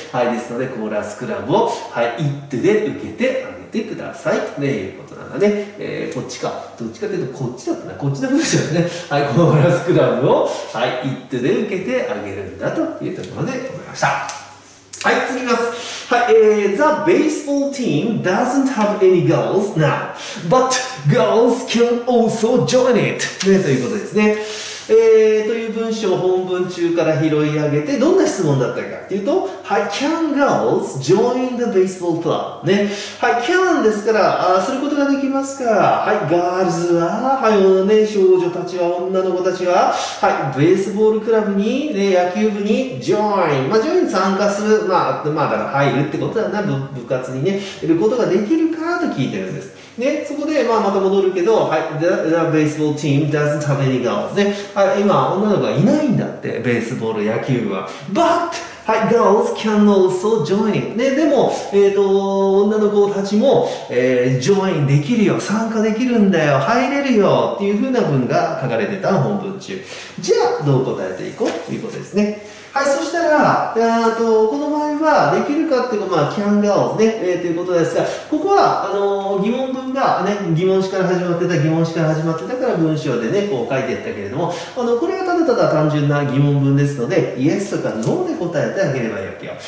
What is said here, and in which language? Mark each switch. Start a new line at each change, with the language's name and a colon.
Japanese: はい、ですので、コーラスクラブを、はい、it で受けてあげてください。ね、いうことなんだね。こっちか。どっちかというと、こっちだったな。こっちの部分ですよね。はい、コーラスクラブを、はい、it で受けてあげるんだというところでございました。はい、次いきます。
English: はい、the baseball team doesn't have any girls now, but girls can also join it.
Japanese: ね、ということですね。という文章を本文中から拾い上げて、どんな質問だったかっていうと、はい、
English: can girls join the baseball club?
Japanese: ね。はい、can ですから、することができますか。はい、girls は、はい、ね、少女たちは、女の子たちは、はい、ベースボールクラブに、ね、野球部に join。まあ、join 参加する。まあ、まあ、だから入るってことだな。部活にね、いることができるかと聞いてるんです。ね、そこで、まあ、また戻るけど、はい、
English: the baseball team doesn't have any girls
Japanese: ね。はい、今、女の子がいないんだって、ベースボール、野球部は。
English: But! はい、girls can also join it ね。
Japanese: でも、女の子たちも、join できるよ。参加できるんだよ。入れるよ。っていう風な文が書かれてた本文中。じゃあ、どう答えていこうということですね。はい、そしたら、この場合は、できるかっていうか、まあ、can girls ね、ということですが、ここは、疑問文が、ね、疑問詞から始まってたから文章でね、こう書いてったけれども、これはただただ単純な疑問文ですので、yes とか no で答えてあげればいいわけよ。